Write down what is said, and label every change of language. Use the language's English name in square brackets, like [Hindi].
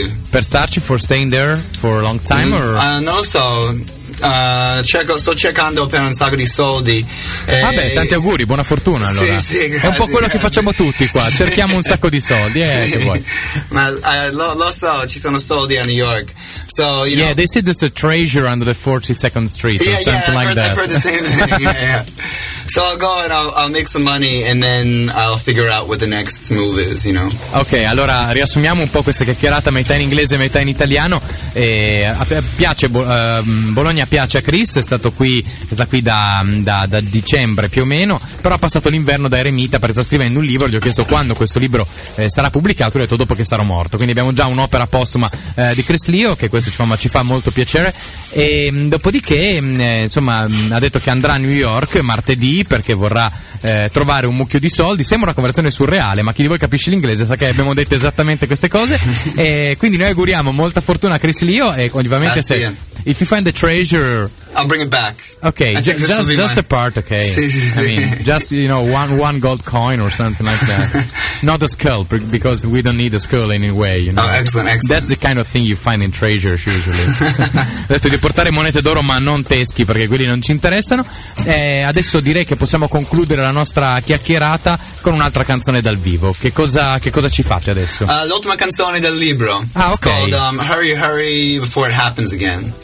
[Italian] Per starci, [English] for staying there for a long time, or? [Italian] Non lo so. Sto cercando per un sacco di soldi. Vabbè, tanti auguri, buona fortuna allora. Sì, sì, grazie, è un po' quello grazie. Che facciamo tutti qua. Cerchiamo un sacco di soldi. Che vuoi. Ma lo so, ci sono soldi a New York. [English] So, you yeah, know, they say there's a treasure under the 42nd Street. Yeah, or something yeah, like that. I've heard the same thing. Yeah, yeah. So I'll go and I'll make some money and then I'll figure out what the next move is, you know. [Italian] Ok, allora riassumiamo un po' questa chiacchierata metà in inglese e metà in italiano. Piace Bologna, piace a Chris, è stato qui da dicembre più o meno, però ha passato l'inverno da eremita perché sta scrivendo un libro. Gli ho chiesto quando questo libro sarà pubblicato, gli ho detto dopo che sarò morto, quindi abbiamo già un'opera postuma di Chris Leo, che questo ci fa molto piacere. E dopodiché insomma ha detto che andrà a New York martedì perché vorrà trovare un mucchio di soldi. Sembra una conversazione surreale, ma chi di voi capisce l'inglese sa che abbiamo detto esattamente queste cose. E quindi noi auguriamo molta fortuna a Chris Leo, e ovviamente se [English] if you find the treasure, I'll bring it back. Okay, just my a part, okay. [Italian] Sí. [English] I mean, just, you know, one gold coin or something like that. Not a skull, because we don't need a skull anyway, you know. Oh, excellent. That's the kind of thing you find in treasures usually. [Italian] Ho detto di portare monete d'oro, ma non teschi, perché quelli non ci interessano. Adesso direi che possiamo concludere la nostra chiacchierata con un'altra canzone dal vivo. Che cosa ci fate adesso? L'ultima canzone del libro. [English] Ah, okay. It's called Hurry, Hurry Before It Happens Again.